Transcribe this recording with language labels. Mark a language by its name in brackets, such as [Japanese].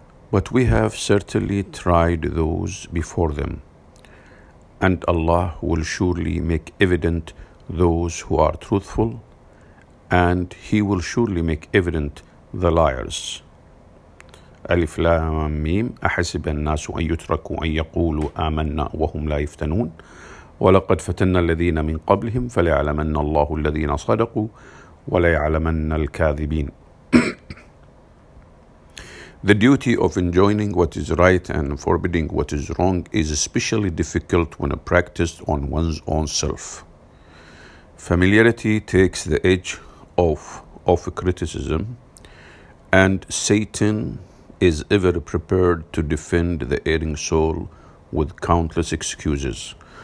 [English] But we have certainly tried those before them. And Allah will surely make evident those who are truthful, and He will surely make evident the liars. Alif lam mim. [Arabic] أحسب الناس أن يتركوا أن يقولوا آمنا وهم لا يفتنون ولقد فتنا الذين من قبلهم فليعلمن الله الذين صدقوا وليعلمن الكاذبين. [English] The duty of enjoining what is right and forbidding what is wrong is especially difficult when practiced on one's own self. Familiarity takes the edge off of criticism, and Satan is ever prepared to defend the erring soul with countless excuses.